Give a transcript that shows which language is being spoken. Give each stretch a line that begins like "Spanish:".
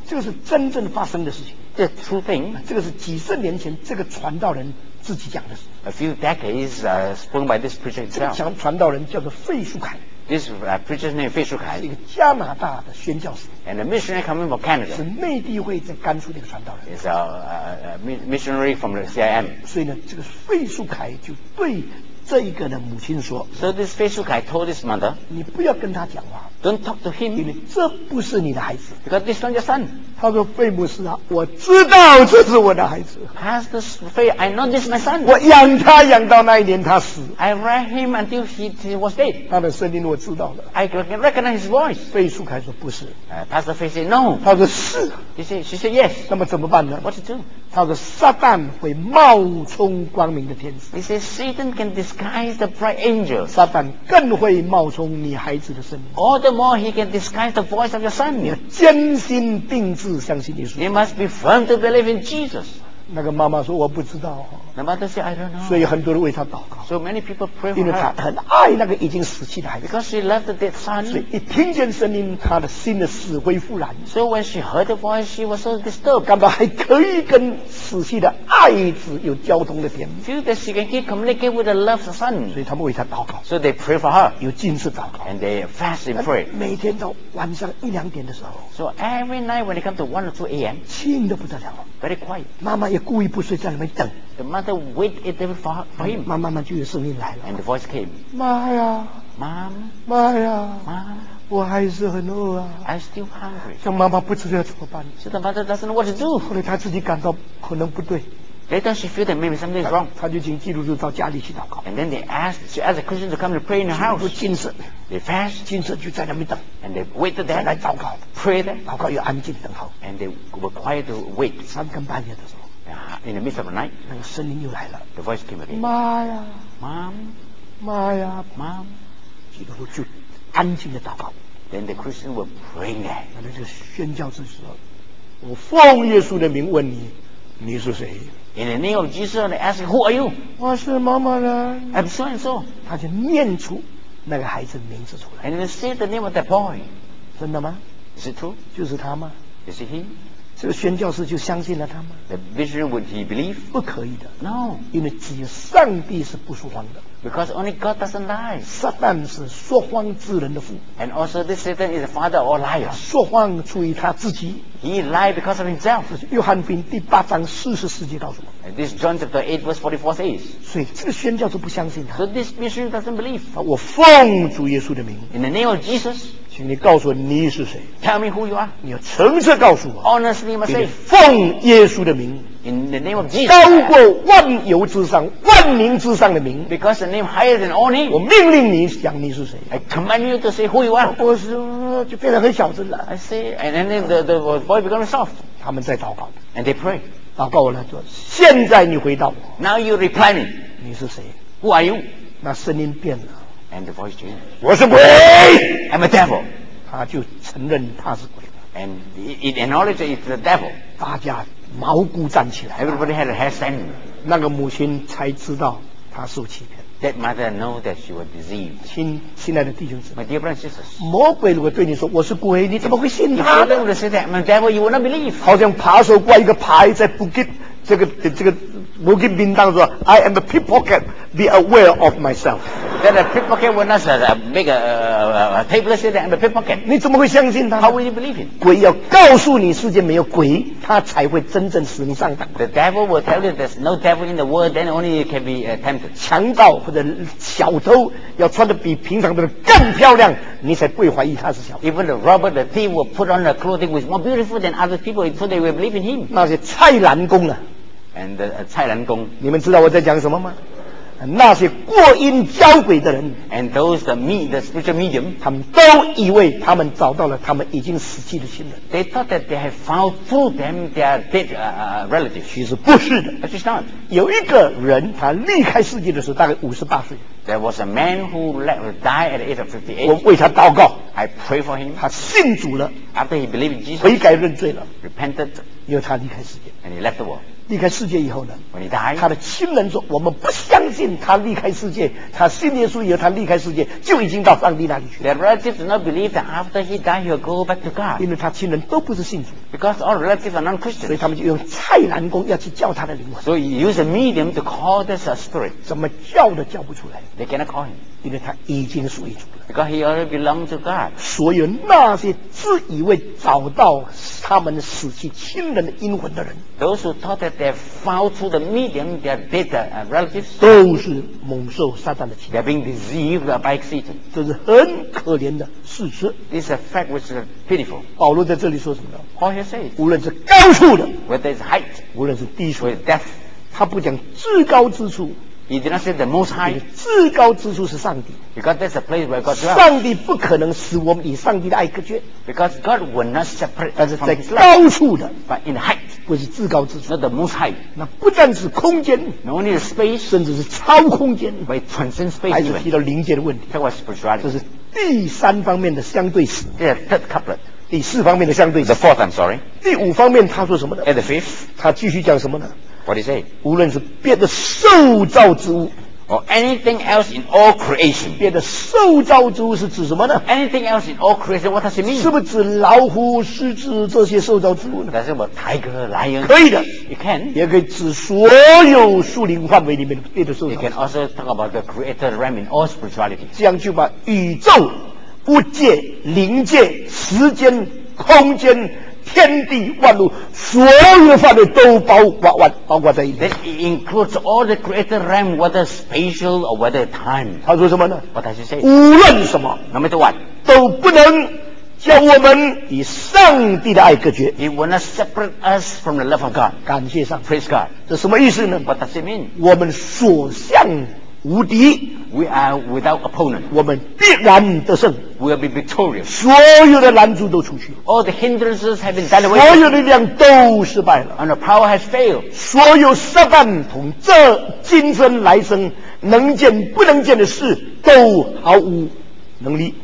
Chinese: 这个是真正发生的事情。
English: The true thing.
Chinese: 这个是几十年前这个传道人自己讲的事。
English: A few decades spoken by this preacher himself.
Chinese: 这个讲传道人叫做费树凯。
English: This preacher's name 费树凯。
Chinese: 是一个加拿大的宣教士。
English: And a missionary coming from Canada.
Chinese: 是内地会在甘肃的一个传道人。
English: Is a missionary from the CIM.
Chinese: 所以呢，这个费树凯就对这一个的母亲说
English: ，So this 费树凯 told his mother，
Chinese: 你不要跟他讲话
English: ，Don't talk to him，
Chinese: 因为这不是你的孩子
English: ，Because this is not your son。
Chinese: 他说费牧师啊，我知道这是我的孩子
English: ，Pastor 费 ，I know this is my son。
Chinese: 我养他养到那一年他死
English: ，I raised him until he was dead。
Chinese: 他的声音我知道了
English: ，I can recognize his voice。
Chinese: 费树凯说不是
English: ，Pastor 费 said no。
Chinese: 他说是
English: ，She said yes。
Chinese: 那么怎么办呢
English: ？What to do？
Chinese: 他说撒旦会冒充光明的天使。
English: He says Satan can disguise the bright angel.
Chinese: 撒旦更会冒充你孩子的声音。
English: All the more he can disguise the voice of your son.
Chinese: 你要坚心定志相信耶稣。
English: You must be firm to believe in Jesus.
Chinese: 那个妈妈说我不知道。那么这些
English: I don't know。
Chinese: 所以很多人为她祷告。
English: So many people pray for her。
Chinese: 因为她很爱那个已经死去的孩子。
English: Because she loved the dead son。
Chinese: 所以一听见声音，她的心的死灰复燃。
English: So when she heard the voice, she was so disturbed。
Chinese: 感到还可以跟死去的爱子有交通的点。
English: Feel that she can communicate with the loved son。
Chinese: 所以他们为她祷告。
English: So they pray for her。
Chinese: 有禁食祷告。
English: And they fast and pray。
Chinese: 每天到晚上一两点的时候。
English: So every night when it comes to 1 or 2 a.m.
Chinese: 静得不得了。
English: Very quiet。
Chinese: 妈妈也故意不睡，在那边等。
English: The mother waited for him。
Chinese: 慢慢就有声音来了。
English: And the voice came。
Chinese: 妈呀
English: ，Mom。
Chinese: 妈呀
English: ，Mom。
Chinese: 我还是很饿啊。
English: I'm still hungry。
Chinese: 这妈妈不知道怎么办。
English: So the mother doesn't know what to do。
Chinese: 后来她自己感到可能不对。
English: Later she feel that maybe something is wrong。
Chinese: 她就请基督徒到家里去祷告。
English: And then they asked, she asked the Christian to come to pray in her house。
Chinese: 基督徒禁食。
English: They fast。
Chinese: 禁食就在那边等。
English: And they waited there。
Chinese: 来祷告。
English: Pray there。
Chinese: 祷告又安静等候。
English: And they were quiet to wait。
Chinese: 三更半夜的时候。
English: In the midst of the night,
Chinese: 那个声音又来了。
English: The voice came again.
Chinese: 妈呀
English: ，Mom，
Chinese: 妈呀
English: ，Mom，
Chinese: 基督徒就安静的祷告。
English: Then the Christian will pray.
Chinese: 那他就宣教之时，我奉耶稣的名问你，你是谁
English: ？In the name of Jesus, they ask, "Who are you?"
Chinese: 我是妈妈呢。
English: I'm so and so.
Chinese: 他就念出那个孩子的名字出来。
English: And they say the name of that boy.
Chinese: 真的吗
English: ？Is it true?
Chinese: 就是他吗
English: ？Is it he?
Chinese: 这个宣教士就相信了他吗
English: ？The vision would he believe？
Chinese: 不可以的
English: ，No，
Chinese: 因为只有上帝是不说谎的
English: ，Because only God doesn't lie。
Chinese: 撒旦是说谎之人的父
English: ，And also this Satan is the father of all liars。
Chinese: 说谎出于他自己
English: ，He lied because of himself。
Chinese: 约翰福音第八章四十四节告诉我
English: ，And this John chapter 8 verse 44 says。
Chinese: 所以这个宣教士不相信他
English: ，So this vision doesn't believe。
Chinese: 我奉主耶稣的名
English: ，In the name of Jesus。
Chinese: 请你告诉我你是谁
English: ？Tell me who you are。
Chinese: 你要诚实告诉我。
English: Honestly, must say。
Chinese: 奉耶稣的名
English: ，In the name of Jesus。
Chinese: 高过万有之上、万民之上的名
English: ，Because the name higher than all names。
Chinese: 我命令你讲你是谁。
English: I command you to say who you are。
Chinese: 我是就变成很小声了。
English: I say, and then the boy becomes soft。
Chinese: 他们在祷告。
English: And they pray。
Chinese: 祷告完了说：“现在你回答我。
English: ”Now you reply me。
Chinese: 你是谁
English: ？Who are you？
Chinese: 那声音变了。
English: And the voice changed.
Chinese: 我是鬼
English: ，I'm a devil.
Chinese: 他就承认他是鬼。
English: And it acknowledged it's the devil.
Chinese: 大家毛骨站起来。
English: Everybody had a hair standing.
Chinese: 那个母亲才知道他受欺骗。
English: That mother knew that she was deceived.
Chinese: 亲爱的弟兄姊妹
English: ，My dear brothers and sisters.
Chinese: 魔鬼如果对你说我是鬼，你怎么会信他
English: ？If you say that I'm a devil, you will not believe.
Chinese: 好像扒手挂一个牌在布吉这个布吉兵当中 ，
English: I am a pickpocket. Be aware of myself. That a pickpocket will not make a table say that I'm a pickpocket.
Chinese: 你怎么会相信他
English: ？How will you believe him?
Chinese: 鬼要告诉你世界没有鬼，他才会真正使你上当。
English: The devil will tell you there's no devil in the world, then only you can be tempted.
Chinese: 强盗或者小偷要穿得比平常的人更漂亮，你才不会怀疑他是小偷。
English: Even the robber, the thief will put on a clothing which is more beautiful than other people, so they will believe in him.
Chinese: 那些蔡澜公啊
English: ，and the 蔡澜公，
Chinese: 你们知道我在讲什么吗？那些过阴交鬼的人
English: ，and those the spiritual medium，
Chinese: 他们都以为他们找到了他们已经死去的亲人。
English: They thought that they had found through them their dead relatives。
Chinese: 其实不是的
English: ，it's not。
Chinese: 有一个人他离开世界的时候大概58岁。
English: There was a man who died at the age of 58。
Chinese: 我为他祷告
English: ，I pray for him。
Chinese: 他信主了
English: ，after he believed in Jesus，
Chinese: 悔改认罪了
English: ，repented，
Chinese: 因为他离开世界
English: ，and he left the world。
Chinese: 离开世界以后呢
English: When he died,
Chinese: 他的亲人说我们不相信他离开世界他信耶稣以后他离开世界就已经到上帝那里去
English: Their relatives do not believe that after he died he will go back to God
Chinese: 因为他亲人都不是信主
English: Because all relatives are non-Christians
Chinese: 所以他们就用蔡澜公要去叫他的灵魂
English: So he used a medium to call this a spirit
Chinese: 怎么叫都叫不出来
English: They cannot call him
Chinese: 因为他已经属于主了
English: Because he already belonged to God
Chinese: 所有那些自以为找到他们死去亲人的阴魂的人
English: Those who thought that they found through the medium their dead relatives
Chinese: 都是蒙受撒旦的欺骗
English: They're being deceived by Satan
Chinese: 这是很可怜的事实
English: This is a fact which is pitiful
Chinese: 保罗在这里说什么
English: Paul here says
Chinese: 无论是高处的
English: Whether it's height
Chinese: 无论是低处
English: Whether it's depth
Chinese: 他不讲至高之处
English: He did not say the most high
Chinese: 至高之处是上帝
English: Because that's the place where God dwells
Chinese: 上帝不可能使我们与上帝的爱隔绝
English: Because God will not separate
Chinese: 但是在高处的
English: But in height
Chinese: 不是至高之处
English: Not the most high
Chinese: 那不但是空间
English: Not only the space
Chinese: 甚至是超空间
English: But transcend space
Chinese: 还是提到灵界的问题
English: That was spirituality
Chinese: 这是第三方面的相对式
English: The third couplet
Chinese: 第四方面的相对式
English: The fourth I'm sorry
Chinese: 第五方面他说什么呢
English: At the fifth
Chinese: 他继续讲什么呢
English: What is it?
Chinese: 无论是别的受造之物
English: or anything else in all creation.
Chinese: 别的受造之物是指什么呢？
English: Anything else in all creation, what does it mean?
Chinese: 是不是指老虎、狮子这些受造之物呢？但是我们 tiger, lion, 可以的。
English: You can.
Chinese: 也可以指所有树林范围里面别的受造。
English: You can also talk about the creator realm in all spirituality.
Chinese: 这样就把宇宙、物界、灵界、时间、空间、天地万物所有范围都包括在里面。
English: It includes all the greater realm, whether spatial or whether time.
Chinese: 他说什么呢？
English: What does he say?
Chinese: 无论什么
English: ，No matter what,
Chinese: 都不能将我们与上帝的爱隔绝。
English: It will not separate us from the love of God.
Chinese: 感谢上帝。
English: Praise God.
Chinese: 这什么意思呢？
English: What does it mean?
Chinese: 我们所向无敌。
English: We are without opponent.
Chinese: 我们必然得胜。
English: We will be victorious.
Chinese: 所有的拦阻都出去。
English: All the hindrances have been done away.
Chinese: 所有力量都失败了。
English: And the power has failed.
Chinese: 所有失败从这今生来生能见不能见的事都毫无能力。